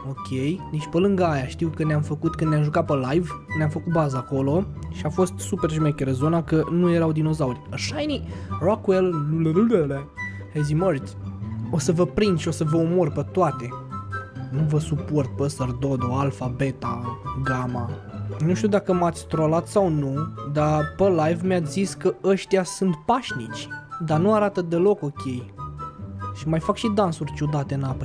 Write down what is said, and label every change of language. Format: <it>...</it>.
<ro>Ok, deci pe lângă aia știu că ne-am făcut când ne-am jucat pe live. Ne-am făcut bază acolo. Și a fost super șmecheră zona că nu erau dinozauri.</ro> <en>A shiny Rockwell has emerged.</en> <ro>O să vă prind și o să vă omor pe toate. Nu vă suport, păsăr Dodo, alfa, beta, gamma. Nu știu dacă m-ați trollat sau nu, dar pe live mi-ați zis că ăștia sunt pașnici. Dar nu arată deloc ok. Și mai fac și dansuri ciudate în apă.</ro>